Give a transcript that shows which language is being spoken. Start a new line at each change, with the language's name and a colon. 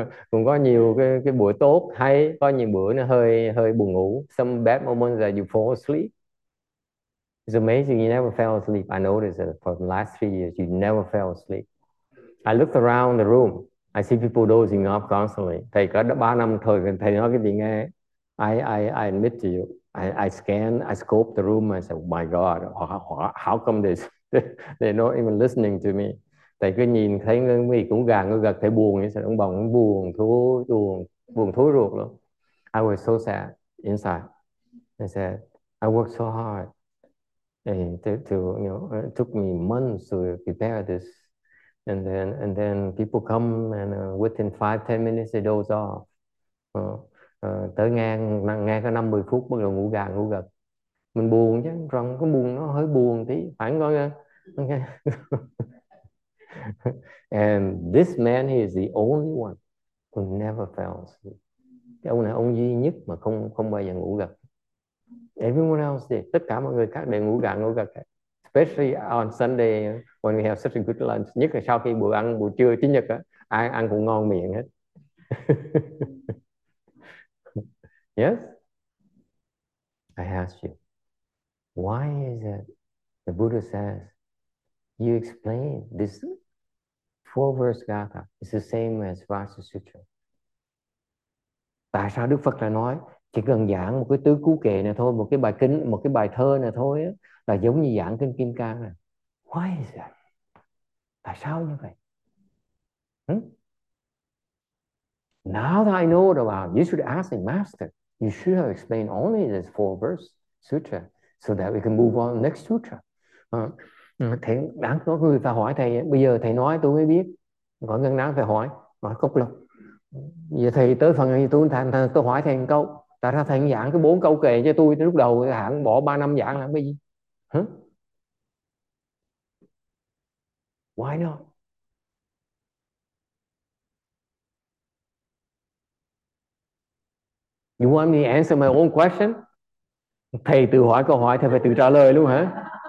Vietnamese: Cũng có nhiều cái buổi tốt, hay, có nhiều bữa nó hơi buồn ngủ.
English: Some bad moments that you fall asleep. It's amazing, you never fell asleep. I noticed that for the last 3 years, you never fell asleep. I looked around the room. I see people dozing off constantly.
Vietnamese: Thầy có 3 năm thôi, thầy nói cái gì nghe.
English: I admit to you. I scope the room. I said, oh my God, how come this? They're not even listening to me.
Vietnamese: Thầy cứ nhìn thấy người cũng gà, người gật, thầy buồn. Thầy cũng bỏng, buồn thối ruột luôn.
English: I was so sad inside. I said, I worked so hard. And it took me months to prepare this. And then people come and within 5-10 minutes they doze off.
Vietnamese: Tới nghe có 5-10 phút bắt đầu ngủ gà ngủ gật. Mình buồn chứ, rằng có buồn nó hơi buồn tí, phải không con?
English: Okay. And this man, he is the only one who never fell asleep.
Vietnamese: Cái ông này ông duy nhất mà không bao giờ ngủ gật.
English: Everyone else did.
Vietnamese: Tất cả mọi người khác đều ngủ gà ngủ gật.
English: Especially on Sunday when we have such a good lunch.
Vietnamese: Nhất là sau khi bữa ăn buổi trưa chủ nhật á, ai ăn cũng ngon miệng hết.
English: Yes? I ask you, why is it the Buddha says you explain this four verse gatha is the same as Vajra Sutra?
Vietnamese: Tại sao Đức Phật lại nói chỉ cần giảng một cái tứ cú kệ này thôi, một cái bài kinh, một cái bài thơ này thôi á, là giống như giảng kinh Kim Cang này.
English: Why is that?
Vietnamese: Tại sao như vậy?
English: Now that I know it about, you should ask the master. You should have explained only this four verse sutra so that we can move on to the next sutra.
Vietnamese: Thầy đáng có người phải hỏi thầy, bây giờ thầy nói tôi mới biết. Có người đáng phải hỏi, nói cốc lục. Giờ thầy tới phần này tôi hỏi thầy một câu. Tại sao thầy giảng cái 4 câu kệ cho tôi lúc đầu hẳn bỏ 3 năm giảng làm cái gì?
English: Why not? You want me to answer my own question?
Vietnamese: Thầy tự hỏi câu hỏi, thầy phải tự trả lời luôn hả?